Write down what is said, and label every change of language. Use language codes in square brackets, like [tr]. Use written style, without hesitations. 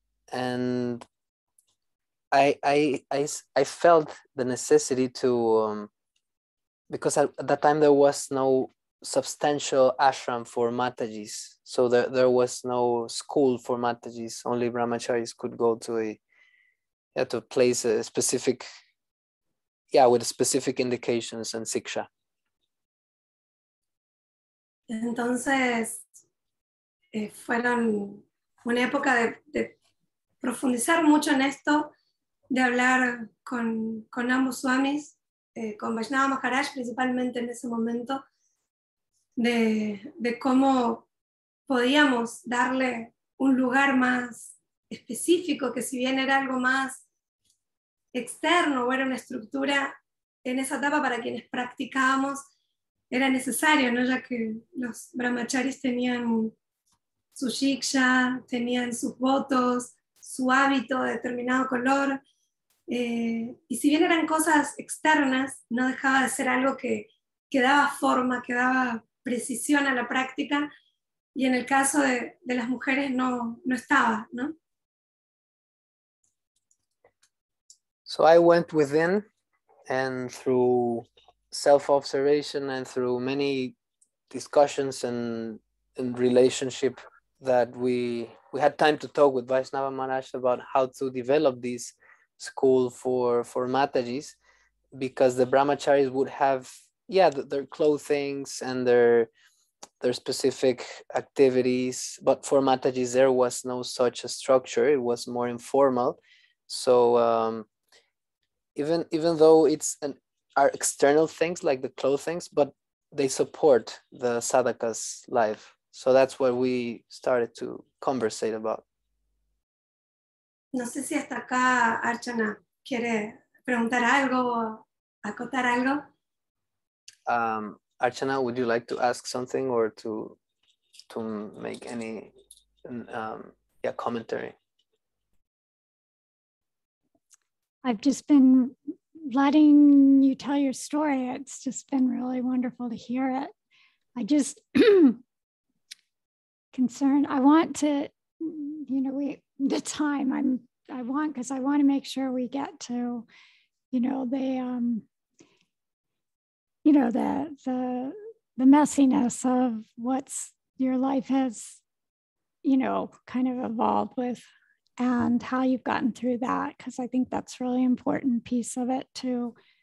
[en] And I felt the necessity to, because at that time there was no substantial ashram for Matajis. So there was no school for Matajis, only Brahmacharis could go to to place a specific, with specific indications and siksha. [es] Entonces, fueron una época de profundizar mucho en esto, de hablar con ambos swamis, con Vaishnava Maharaj principalmente en ese momento, de cómo podíamos darle un lugar más específico, que si bien era algo más externo o era una estructura, en esa etapa para quienes practicábamos era necesario, ¿no? Ya que los brahmacharis tenían su shiksha, tenían sus votos, su hábito de determinado color, y si bien eran cosas externas, no dejaba de ser algo que daba forma, que daba precisión a la práctica, y en el caso de las mujeres no estaba, ¿no? [en] So I went within, and through self-observation and through many discussions and relationship that we had time to talk with Vaishnava Maharaj about how to develop this school for Matajis, because the Brahmacharis would have their clothing and their specific activities, but for Matajis there was no such a structure. It was more informal. So even though it's an are external things like the clothing, but they support the sadhaka's life. So that's what we started to conversate about. [es] No sé si hasta acá Archana quiere preguntar algo o acotar algo. [en] Archana, would you like to ask something or to make any commentary? I've just been letting you tell your story. It's just been really wonderful to hear it. I just concern, I want to, you know, because I want to make sure we get to, you know, the messiness of what's your life has, you know, kind of evolved with, and how you've gotten through that, because I think that's really important piece of it too.